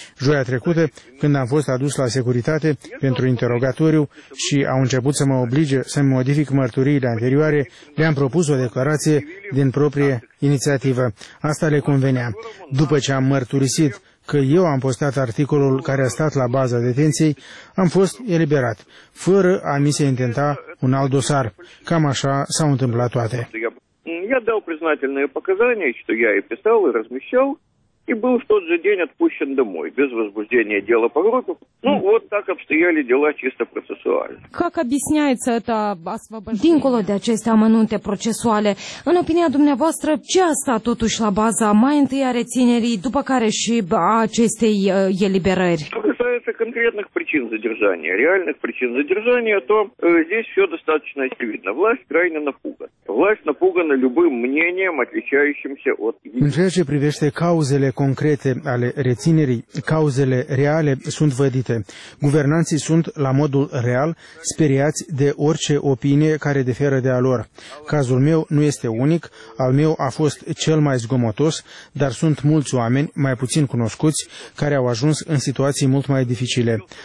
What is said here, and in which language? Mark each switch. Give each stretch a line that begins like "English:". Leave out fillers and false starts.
Romanian: Joia trecută, când am fost adus la securitate pentru interogatoriu și au început să mă oblige să-mi modific mărturiile anterioare, le-am propus o declarație din proprie inițiativă. Asta le convenea. După ce am mărturisit că eu am postat articolul care a stat la baza detenției, am fost eliberat, fără a mi se intenta un alt dosar. Cam așa s-au întâmplat toate.
Russian: Я дал признательные показания, что я и писал, и размещал, и был в тот же день отпущен домой, без возбуждения дела по группе. Ну, вот так обстояли дела чисто процессуально. Как объясняется это освобождение?
Romanian: Динколо де аческе амануте процессуале. În opinia dumneavoastră, ce a stat totuși la baza mai întâi a reținerii, după care și a acestei eliberări?
Russian: Конкретных причин задержания, реальных причин задержания, то здесь все достаточно очевидно. Власть крайне напугана. Власть напугана любым мнением, отличающимся от...
Romanian: În ceea ce privește cauzele concrete ale reținerii, cauzele reale sunt vădite. Guvernanții sunt, la modul real, speriați de orice opinie care diferă de a lor. Cazul meu nu este unic, al meu a fost cel mai zgomotos, dar sunt mulți oameni, mai puțin cunoscuți, care au ajuns în situații mult mai dificile.